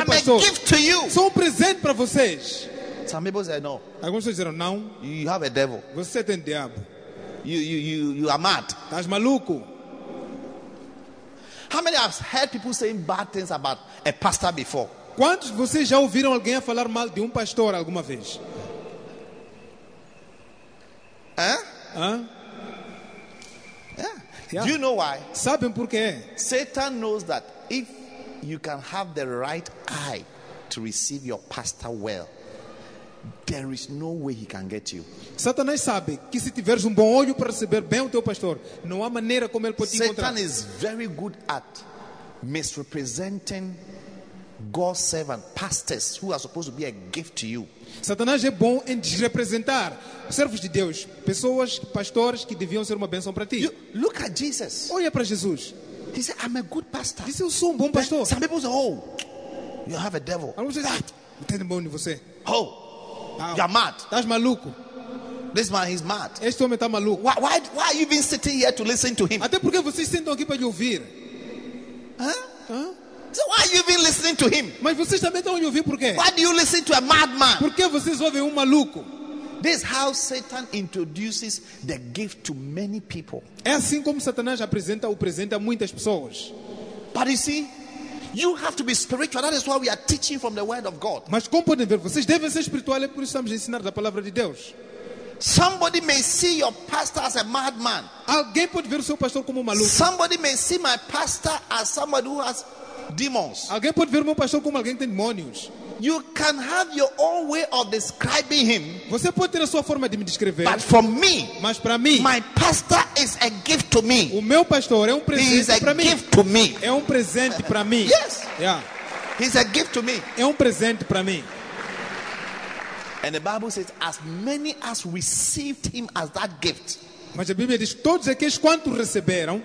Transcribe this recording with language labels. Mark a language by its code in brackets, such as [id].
[en] I'm pastor. A gift to you. [pt] Sou presente para vocês. [en] Some people say no. [pt] Alguns pessoas disseram não. [en] You have a devil. [pt] Você tem diabo. [en] You are mad. [pt] Estás maluco. [en] How many have heard people saying bad things about a pastor before? [pt] Quantos de vocês já ouviram alguém falar mal de pastor alguma vez? [en] Yeah. Do you know why? [pt] Sabem por quê? [en] Satan knows that if you can have the right eye to receive your pastor well, there is no way he can get you. [pt] Satanás sabe que se tiveres bom olho para receber bem o teu pastor, não há maneira como ele pode te [en] Satan [pt] encontrar. [en] Satan is very good at misrepresenting God's servant, pastors who are supposed to be a gift to you. [pt] Satanás é bom em desrepresentar servos de Deus, pessoas, pastores que deviam ser uma bênção para ti. [en] Look at Jesus. [pt] Olha para Jesus. [en] He said, "I'm a good pastor." [pt] Disse, eu sou um bom pastor. [en] Some people say, "Oh, you have a devil." [pt] Alguns dizem, "Ah, eu tenho demônio em você." [en] Oh, wow. You are mad. [pt] Estás maluco. [en] This man, he's mad. [pt] Este homem está maluco. [en] Why are you even sitting here to listen to him? [pt] Até porque vocês sentam aqui para lhe ouvir. [en] So why are you even listening to him? [pt] Mas vocês também estão a ouvir por quê? [en] Why do you listen to a madman? [pt] Por que vocês ouvem maluco? [en] This is how Satan introduces the gift to many people. [pt] É assim como Satanás apresenta ou presenta muitas pessoas. [en] But you see, you have to be spiritual. That is why we are teaching from the word of God. [pt] Mas como podem ver, vocês devem ser espirituais, por isso estamos a ensinar da palavra de Deus. [en] Somebody may see your pastor as a madman. [pt] Alguém pode ver o seu pastor como maluco. [en] Somebody may see my pastor as somebody who has demons. [pt] Alguém pode ver meu pastor como alguém que tem demônios. [en] You can have your own way of describing him. [pt] Você pode ter a sua forma de me descrever. [en] But for me, [pt] mas para mim, [en] my pastor is a gift to me. [pt] O meu pastor é um presente para mim. [en] He is a gift to me. [pt] É um presente para mim. Yes. Yeah. [en] He's a gift to me. [pt] É um presente para mim. [en] And the Bible says, as many as received him as that gift. [pt] Mas a Bíblia diz, todos aqueles quanto receberam,